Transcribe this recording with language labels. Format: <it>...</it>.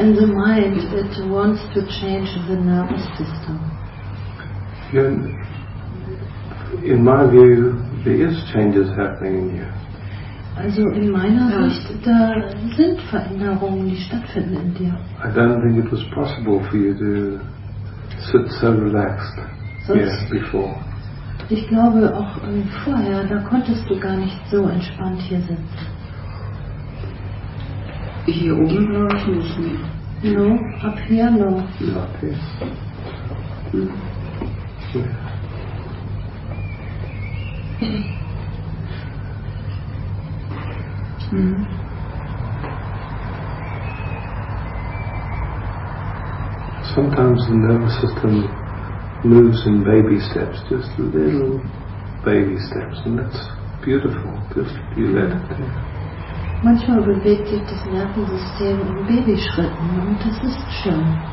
<en>and the mind, it wants to change the nervous system. In my view, there is changes happening in you.</en> <de>Also in meiner Sicht, da sind Veränderungen, die stattfinden in dir.</de> <en>I don't think it was possible for you to sit so relaxed here before.</en> <de>Ich glaube auch vorher, da konntest du gar nicht so entspannt hier sitzen. Hier oben glaube ich nicht mehr. No, ab hier no. Ja, ab hier.</de> <en>Sometimes the nervous system moves in baby steps, just little baby steps, and that's beautiful, just you let it be.</en> <de>Manchmal bewegt sich das Nervensystem in Babyschritten, und das ist schön.</de>